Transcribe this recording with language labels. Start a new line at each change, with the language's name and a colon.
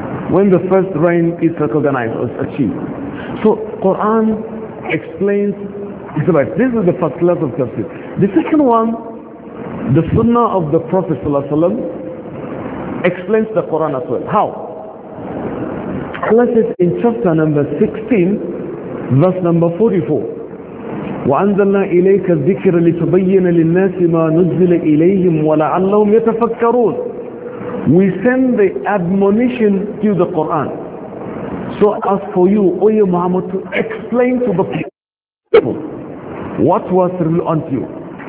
English: When the first rain is recognized or achieved. So Quran explains, this is the first level of tafsir. The second one, the sunnah of the Prophet explains the Quran as well. How? Allah says in chapter number 16, verse number 44,
Arabic: وَأَنزَلْنَا إِلَيْكَ الذِّكْرَ لِتُبَيِّنَ لِلنَّاسِ مَا نُزِّلَ إِلَيْهِمْ وَلَعَلَّهُمْ يَتَفَكَّرُونَ.
English: We send the admonition to the Quran. So as for you, O ya Muhammad, to explain to the people what was revealed unto you.